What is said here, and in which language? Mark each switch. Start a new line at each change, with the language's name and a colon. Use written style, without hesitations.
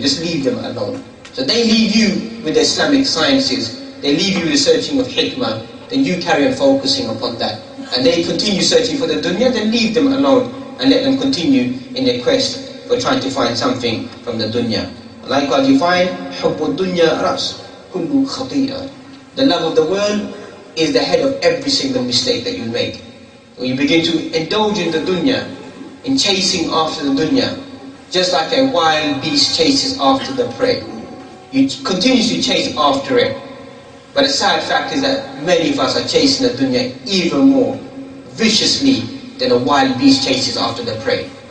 English: Just leave them alone. So they leave you with the Islamic sciences, they leave you with the searching of hikmah, then you carry on focusing upon that. And they continue searching for the dunya, then leave them alone and let them continue in their quest for trying to find something from the dunya. Likewise, you find
Arabic: حُبُّ الدُّنْيَا رَأْسْ كُلُّ خَطِيئًا.
English: The love of the world is the head of every single mistake that you make. When you begin to indulge in the dunya, in chasing after the dunya, just like a wild beast chases after the prey, you continue to chase after it. But the sad fact is that many of us are chasing the dunya even more viciously than a wild beast chases after the prey.